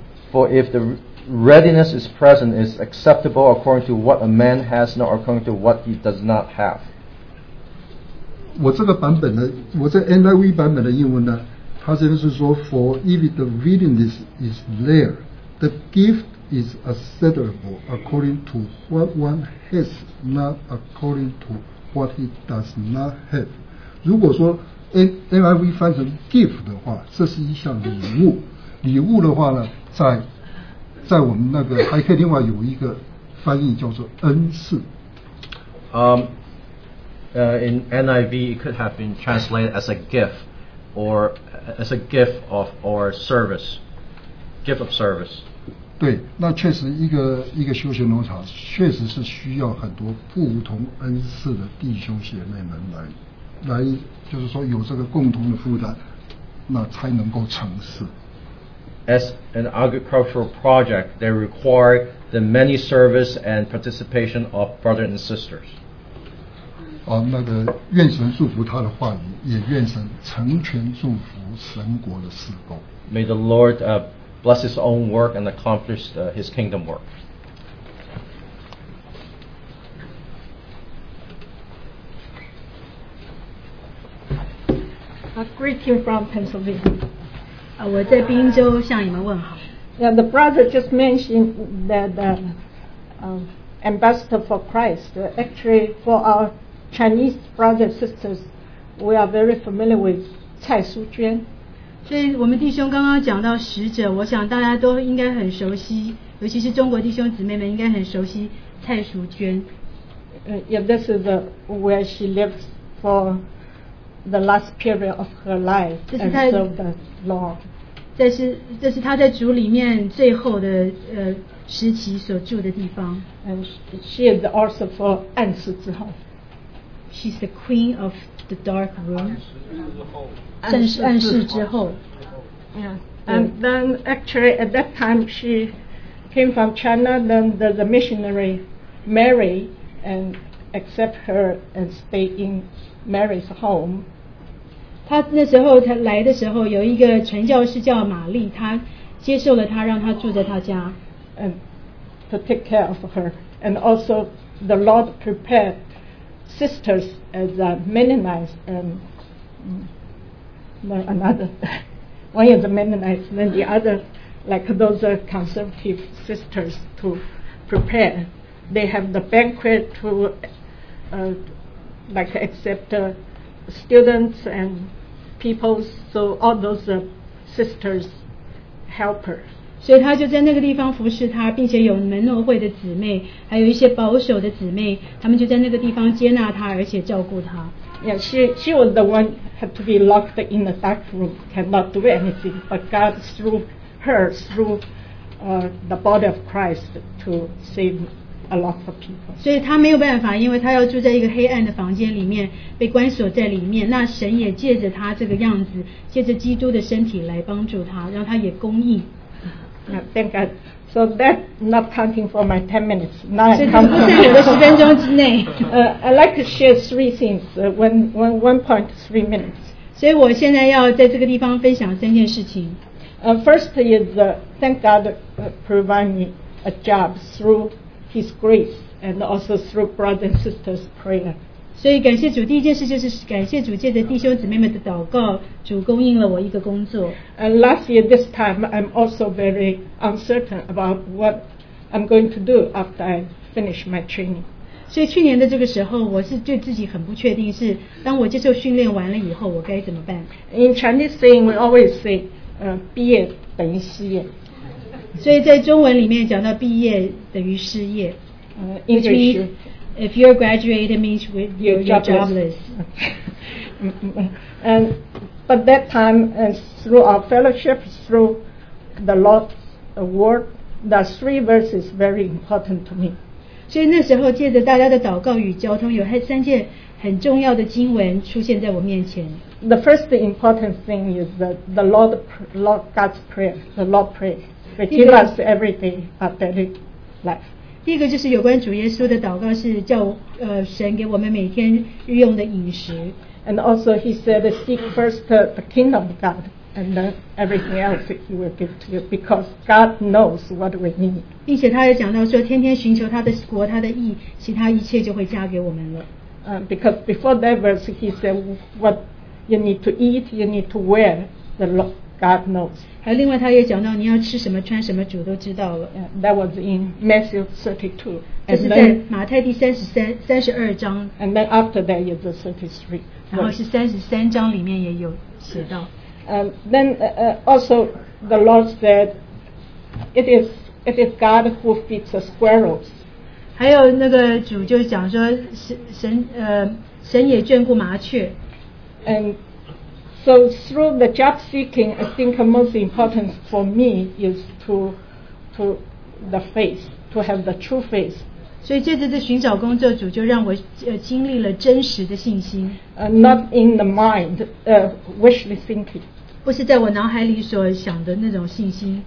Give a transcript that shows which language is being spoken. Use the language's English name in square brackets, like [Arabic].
[English] For if the readiness is present, is acceptable according to what a man has, not according to what he does not have. [Chinese] 我这个版本的，我这 NIV 版本的英文呢？他这边是说 [English] ，For if the readiness is there, the gift is acceptable according to what one has, not according to what he does not have. [Chinese] 如果说 NIV 翻成 gift 的话，这是一项礼物。礼物的话呢，在我们那个还可以另外有一个翻译叫做恩赐。 [English] In NIV, it could have been translated as a gift. Or as a gift of or service, gift of service. [Chinese] 对，那确实一个休闲农场确实是需要很多不同恩赐的弟兄姐妹们来，就是说有这个共同的负担，那才能够成事。 [English] As an agricultural project, they require the many service and participation of brothers and sisters. [Chinese] 哦，那个愿神祝福他的话语，也愿神成全祝福神国的事工。 [English] May the Lord bless his own work and accomplish his kingdom work. A greeting from Pennsylvania. [Chinese] 我在宾州向你们问好。 [English] Yeah, the brother just mentioned that the ambassador for Christ, actually for our Chinese brothers and sisters, we are very familiar with 蔡淑娟。 [Chinese] 所以我们弟兄刚刚讲到使者，我想大家都应该很熟悉，尤其是中国弟兄姊妹们应该很熟悉蔡淑娟。 [English] Yeah, this is where she lived for the last period of her life and served the Lord. [Chinese] 这是她在主里面最后的时期所住的地方。 [English] And she is also for [Chinese] 暗室之后。 [English] She's the queen of the dark room. [Chinese] 暗室之后。 [English] Yeah. And then actually at that time she came from China, then the missionary Mary and accept her and stay in Mary's home. [Chinese] 她那时候她来的时候有一个传教士叫玛丽，她接受了她，让她住在她家。 [English] And to take care of her. And also the Lord prepared sisters as Mennonites and another. One is the Mennonites, then the other, like those conservative sisters to prepare. They have the banquet to like accept students and people, so all those sisters help her. [Chinese] 所以他就在那个地方服侍他，并且有门诺会的姊妹，还有一些保守的姊妹，他们就在那个地方接纳他，而且照顾他。 [English] Yeah, she was the one had to be locked in the dark room, cannot do anything. But God through her, through the body of Christ, to save a lot of people. [Chinese] 所以他没有办法，因为他要住在一个黑暗的房间里面，被关锁在里面。那神也借着他这个样子，借着基督的身体来帮助他，让他也供应。 [English] Thank God. So that's not counting for my 10 minutes. Now I come to I'd like to share three things when 1.3 minutes. [Chinese] 所以我现在要在这个地方分享三件事情。 [English] First is thank God provide me a job through His grace and also through brothers and sisters' prayer. [Chinese] 所以感谢主，第一件事就是感谢主借着弟兄姊妹们的祷告，主供应了我一个工作。 [English] And last year this time, I'm also very uncertain about what I'm going to do after I finish my training. [Chinese] 所以去年的这个时候，我是对自己很不确定，是当我接受训练完了以后，我该怎么办 [English] ？In Chinese saying, we always say, [Chinese] 毕业等于失业。所以在中文里面讲到毕业等于失业。 [English] English. If you're graduated, means with you're jobless. And but that time, and through our fellowship, through the Lord's word, the three verses very important to me. [Chinese] 所以那时候借着大家的祷告与交通，有三件很重要的经文出现在我面前。 [English] The first important thing is the Lord God's prayer, the Lord pray, forgive us every day our daily life. [Chinese] 第一个就是有关主耶稣的祷告，是叫神给我们每天日用的饮食。 [English] And also he said, seek first the kingdom of God, and then everything else he will give to you, because God knows what we need. [Chinese] 并且他也讲到说，天天寻求他的国、他的义，其他一切就会加给我们了。 [English] Because before that verse he said, what you need to eat, you need to wear, the Lord God knows. [Chinese] 还有另外他也讲到你要吃什么穿什么主都知道了。 [English] That was in Matthew 32. [Chinese] 这是在马太第32章。 [English] And then after that is the 33. [Chinese] 然后是33章里面也有写到。 [English] Then also the Lord said, it is God who feeds the squirrels. [Chinese] 还有那个主就讲说神也眷顾麻雀。 [English] So through the job seeking, I think most important for me is to the faith, to have the true faith. [Chinese] 所以借着这寻找工作，主就让我经历了真实的信心。 [English] Not in the mind, wishly thinking. [Chinese] 不是在我脑海里所想的那种信心。